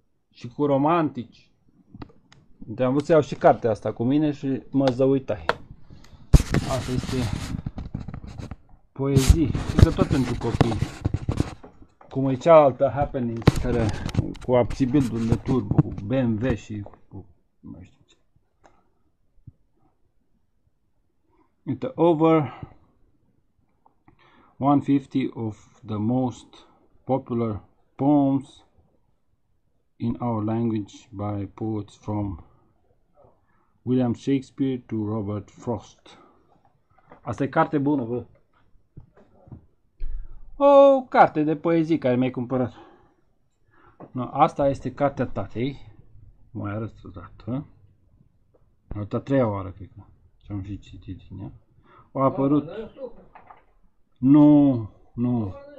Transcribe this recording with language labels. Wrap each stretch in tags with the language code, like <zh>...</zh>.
<ro>Și cu romantici. Am vrut să iau și cartea asta cu mine și mă zăuitai. Asta este poezie. Și că tot pentru copii. Cum e cealaltă happening care cu abțibildul de turbo, cu BMW și cu... Nu știu.</ro> <en>It's over 150 of the most popular poems in our language by poets from William Shakespeare to Robert Frost.</en> <ro>Asta e carte bună, vă. O carte de poezii care mi-ai cumpărat. No, asta este cartea tatei. Mai arăt o dată. Arăt a treia oară, cred că. Și am și citit din ea. A apărut. Nu.</ro>